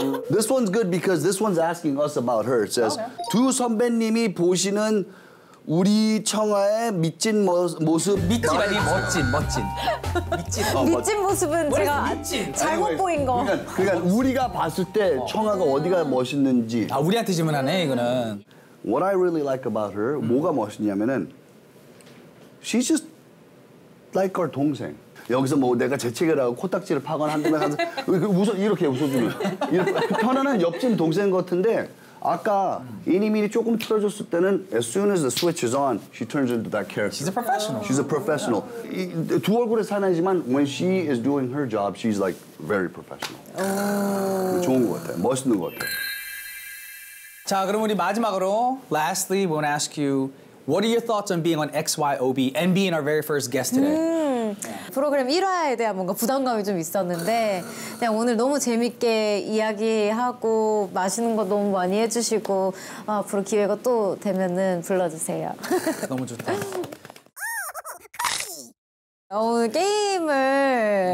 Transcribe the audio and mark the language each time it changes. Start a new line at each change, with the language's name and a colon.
English: This one's good because this one's asking us about her. It says, okay.
Korean: 두 선배님이 보시는 우리 청아의 미친 모습. 미친 아니 멋진. 미친. 미친 모습은 제가 미친? 잘못 아니, 보인 거. 그러니까 우리가 봤을 때 청아가 어디가 멋있는지. 아 우리한테 질문하네 이거는.
English: What I really like about her,
Korean: 뭐가 멋있냐면은
English: she's just like our 동생.
Korean: 여기서 뭐 내가 재채기를 하고 코딱지를 파거나 한다면 웃어 이렇게 웃어주는 이렇게 편안한 옆집 동생 같은데 아까 이니미니 조금 틀어줬을 때는
English: as soon as the switch is on, she turns into that character. She's a professional. She's a professional. Yeah.
Korean: 두 얼굴의 사나이지만
English: when she is doing her job, she's like very professional.
Korean: 좋은 것 같아, 멋있는 것 같아. 자 그럼 우리 마지막으로
English: lastly, we want to ask you what are your thoughts on being on XYOB and being our very first guest today?
Korean: 프로그램 1화에 대한 뭔가 부담감이 좀 있었는데 그냥 오늘 너무 재밌게 이야기하고 맛있는 거 너무 많이 해주시고 앞으로 기회가 또 되면은 불러주세요. 너무 좋다. 오늘 게임을